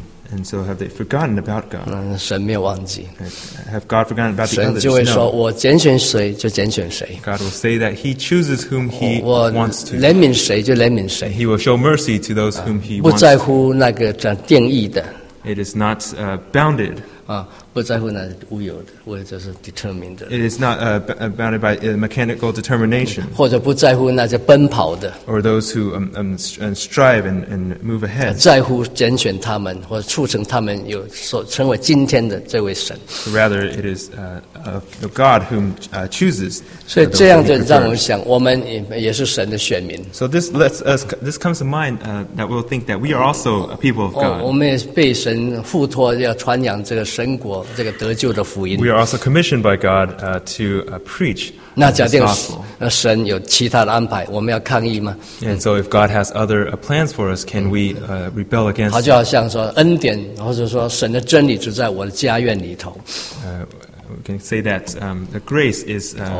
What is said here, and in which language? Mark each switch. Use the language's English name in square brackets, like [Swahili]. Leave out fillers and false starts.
[English] And so have they forgotten about God? [Chinese] 神没有忘记。 [English] Have God forgotten about the others? [Chinese] 神就会说：“我拣选谁就拣选谁。” [English] God will say that He chooses whom He wants to. [Chinese] 怜悯谁就怜悯谁。 [English] He will show mercy to those whom He wants. [Chinese] 不在乎那个定义的。 [English] It is not bounded. [Chinese] 不在乎那无有的，或者是 determined 的。 [English] It is not bounded by mechanical determination. [Chinese] 或者不在乎那些奔跑的。 [English] Or those who strive and move ahead. [Chinese] 在乎拣选他们，或者促成他们有所成为今天的这位神。 [English] Rather, it is the God whom chooses. [Chinese] 所以这样就让我们想，我们也是神的选民。 [English] So this lets us this comes to mind that we'll think that we are also a people of God. [Chinese] 我们也被神附托要传扬这个神国。这个得救的福音。 [English] We are also commissioned by God to preach. [Chinese] 那假定神有其他的安排，我们要抗议吗？ [English] And so if God has other plans for us, can we rebel against? [Chinese] 他就好像说恩典，或者说神的真理只在我的家院里头。 [English] We can say that the grace is.